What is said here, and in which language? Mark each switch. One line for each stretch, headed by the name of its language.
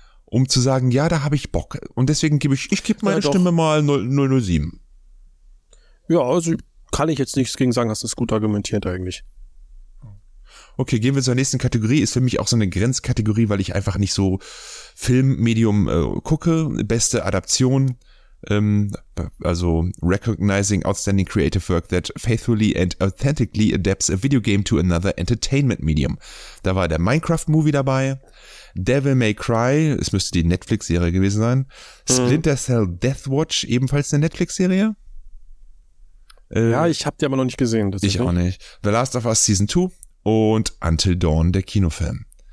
German: um zu sagen, ja, da habe ich Bock. Und deswegen gebe ich, Stimme mal 007. Ja, also kann ich jetzt nichts gegen sagen, hast du es gut argumentiert eigentlich. Okay, gehen wir zur nächsten Kategorie. Ist für mich auch so eine Grenzkategorie, weil ich einfach nicht so Filmmedium gucke. Beste Adaption, also
English: recognizing outstanding creative work that faithfully and authentically adapts a video game to another entertainment medium.
German: Da war der Minecraft-Movie dabei, Devil May Cry, es müsste die Netflix-Serie gewesen sein, Splinter Cell Deathwatch, ebenfalls eine Netflix-Serie. Ja, ich habe die aber noch nicht gesehen. Ich auch nicht. The Last of Us Season 2 und Until Dawn, der Kinofilm.